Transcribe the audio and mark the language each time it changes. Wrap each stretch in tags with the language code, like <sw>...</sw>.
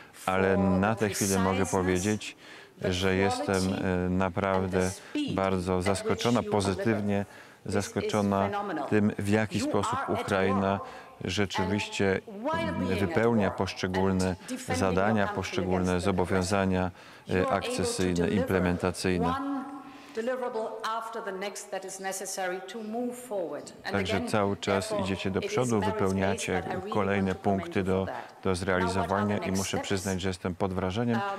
<pl>Ale na tę chwilę mogę powiedzieć, że jestem naprawdę bardzo zaskoczona, pozytywnie zaskoczona tym, w jaki sposób Ukraina rzeczywiście wypełnia poszczególne zadania, poszczególne zobowiązania akcesyjne, implementacyjne.</pl> <en>deliverable after the next that is necessary to move forward.</en> <pl>Także cały czas idziecie do przodu, wypełniacie kolejne punkty do zrealizowania i muszę przyznać, że jestem pod wrażeniem.</pl>